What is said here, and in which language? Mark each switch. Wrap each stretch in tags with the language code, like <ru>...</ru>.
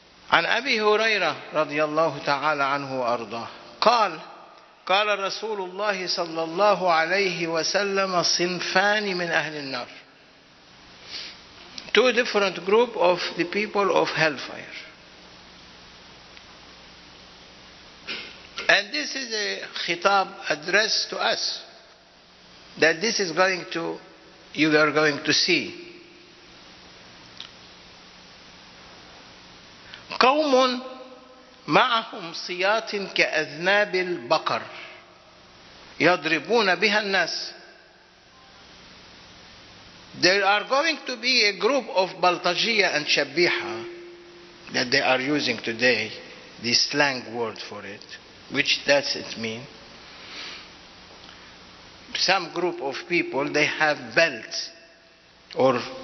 <ar>عن أبي هريرة رضي الله تعالى عنه وأرضاه قال قال رسول الله صلى الله عليه وسلم صنفان من أهل النار.</ar> <en>Two different group of the people of hellfire. And this is a khitab addressed to us, that this is going to, you are going to see.</en> <ar>قوم معهم صياط كأذناب البقر يضربون بها الناس.</ar> <en>There are going to be a group of Baltajiya and Shabiha that they are using today, the slang word for it, which does it mean. Some group of people, they have belts or</en>